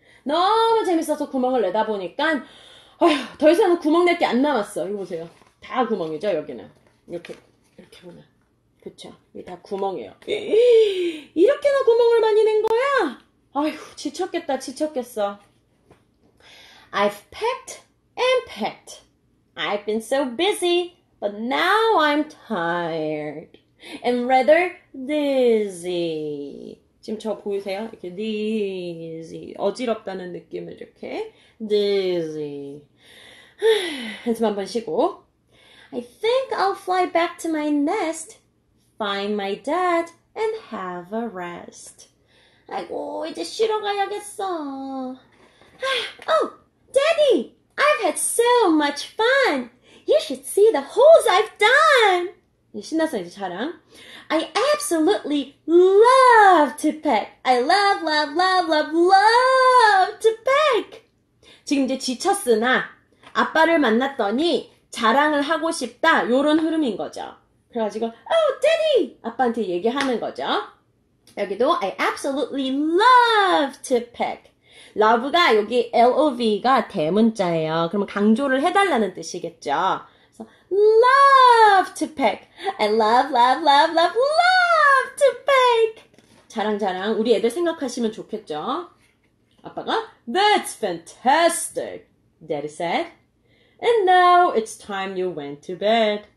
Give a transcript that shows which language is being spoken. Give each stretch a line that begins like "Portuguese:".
Korean: 너무 재밌어서 구멍을 내다 보니까 더 이상은 구멍 낼 게 안 남았어. 이거 보세요. 다 구멍이죠, 여기는. 이렇게, 이렇게 보면. 그쵸? 이게 다 구멍이에요. 이렇게나 구멍을 많이 낸 거야? 아휴, 지쳤겠다, 지쳤겠어.
English: I've packed and packed. I've been so busy, but now I'm tired. And rather dizzy.
Korean: 지금 저 보이세요? 이렇게 dizzy. 어지럽다는 느낌을 이렇게 dizzy. 한숨 한번 쉬고.
English: I think I'll fly back to my nest, find my dad, and have a rest.
Korean: 아이고, 이제 쉬러 가야겠어.
English: Oh, daddy! I've had so much fun! You should see the holes I've done!
Korean: 신났어 이제 자랑.
English: I absolutely love to pack. I love, love, love, love, love to pack.
Korean: 지금 이제 지쳤으나 아빠를 만났더니 자랑을 하고 싶다. 요런 흐름인 거죠. 그래가지고
English: Oh, Daddy!
Korean: 아빠한테 얘기하는 거죠. 여기도
English: I absolutely love to pack.
Korean: Love가 여기 L-O-V가 대문자예요. 그러면 강조를 해달라는 뜻이겠죠.
English: So, love to pick. I love, love, love, love, love to pick.
Korean: 자랑자랑 우리 애들 생각하시면 좋겠죠. 아빠가
English: That's fantastic, Daddy said. And now it's time you went to bed.